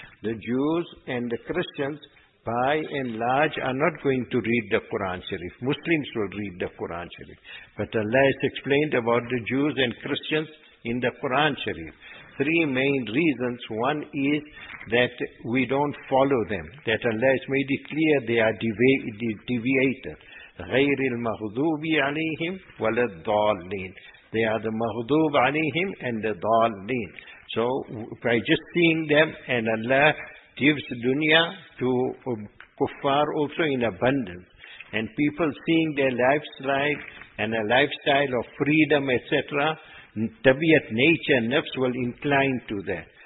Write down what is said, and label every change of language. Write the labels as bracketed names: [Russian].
[English] The Jews and the Christians by and large are not going to read the Quran Sharif. Muslims will read the Quran Sharif. But Allah has explained about the Jews and Christians in the Quran Sharif. Three main reasons. One is that we don't follow them, that Allah has made it clear they are deviated. [Arabic] غير المغضوب عليهم ولا الضالين. [English] They are the [Arabic] مغضوب عليهم [English] and the [Arabic] ضالين. [English] So by just seeing them, and Allah gives dunya to kuffar also in abundance, and people seeing their lifestyle and a lifestyle of freedom, etc., tabiat, nature, nafs will incline to that.